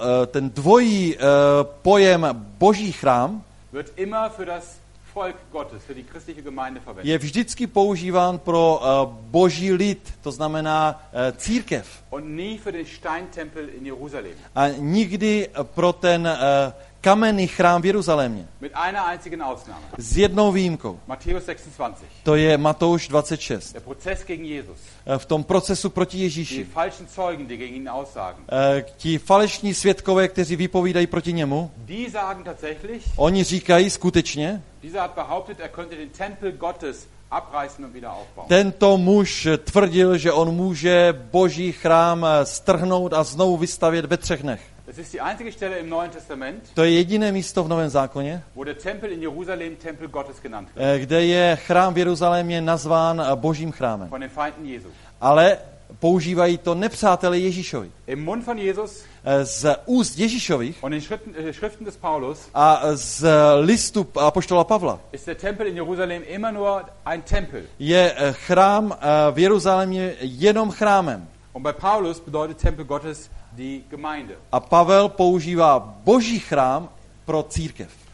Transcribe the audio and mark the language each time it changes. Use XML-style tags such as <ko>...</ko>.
<cs>ten dvojí pojem Boží chrám,</cs> <de>wird immer für das Volk Gottes, für die christliche Gemeinde verwendet.</de> <cs>Je vždycky používán pro boží lid, to znamená církev.</cs> <de>Und nie für den Steintempel in Jerusalem.</de> <cs>A nikdy pro ten kamenný chrám v Jeruzalémě.</cs> <de>Mit einer einzigen Ausnahme.</de> <cs>S jednou výjimkou.</cs> <de>Matthäus 26.</de> <cs>To je Matouš 26.</cs> <de>Der Prozess gegen Jesus.</de> <cs>V tom procesu proti Ježíši.</cs> <de>Die falschen Zeugen, die gegen ihn aussagen.</de> <cs>Ti falešní svědkové, kteří vypovídají proti němu.</cs> <de>Die sagen tatsächlich.</de> <cs>Oni říkají skutečně.</cs> <de>Dieser hat behauptet, er könnte den Tempel Gottes abreißen und wieder aufbauen.</de> <cs>Tento muž tvrdil, že on může Boží chrám strhnout a znovu vystavět ve třech dnech.</cs> <de>Das ist die einzige Stelle im Neuen Testament.</de> <cs>To je jediné místo v Novém zákoně.</cs> <de>Wo der Tempel in Jerusalem Tempel Gottes genannt wird.</de> <cs>Kde je chrám v Jeruzalémě nazván Božím chrámem.</cs> <de>Von den Feinden Jesu.</de> <cs>Ale používají to nepřátelé Ježíšovi.</cs> <de>Im Mund von Jesus.</de> <cs>Z úst Ježíšových.</cs> <de>Von den Schriften des Paulus.</de> <cs>A z listu apoštola Pavla.</cs> <de>Ist der Tempel in Jerusalem immer nur ein Tempel.</de> <cs>Je chrám v Jeruzalémě jenom chrámem.</cs> <de>Und bei Paulus bedeutet Tempel Gottes die Gemeinde.</de> <cs>A Pavel používá Boží chrám pro církev.</cs>